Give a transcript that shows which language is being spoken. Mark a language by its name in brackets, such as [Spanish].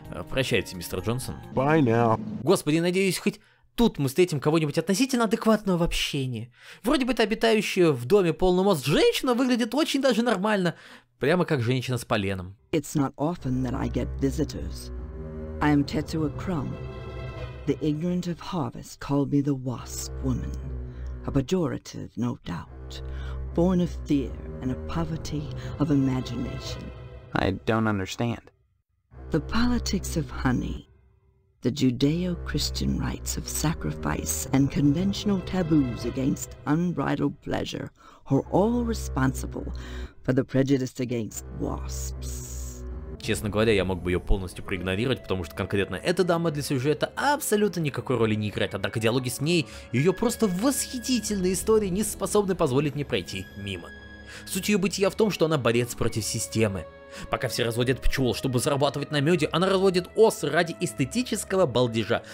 [Russian] Прощайте, мистер Джонсон. [English] Bye now. [Russian] Господи, надеюсь, хоть тут мы встретим кого-нибудь относительно адекватного в общении. Вроде бы та обитающая в доме полный мост женщина выглядит очень даже нормально. Прямо как женщина с поленом. [English] It's not often that I get visitors. I am Tetsuo Crumb. The ignorant of harvest call me the wasp woman. A pejorative, no doubt. Born of fear and a poverty of imagination. I don't understand. The politics of honey, the Judeo-Christian rites of sacrifice and conventional taboos against unbridled pleasure are all responsible for the prejudice against wasps. [Russian] Честно говоря, я мог бы ее полностью проигнорировать, потому что конкретно эта дама для сюжета абсолютно никакой роли не играет, однако диалоги с ней и ее просто восхитительные истории не способны позволить мне пройти мимо. Суть ее бытия в том, что она борец против системы. Пока все разводят пчел, чтобы зарабатывать на меде, она разводит ос ради эстетического балдежа.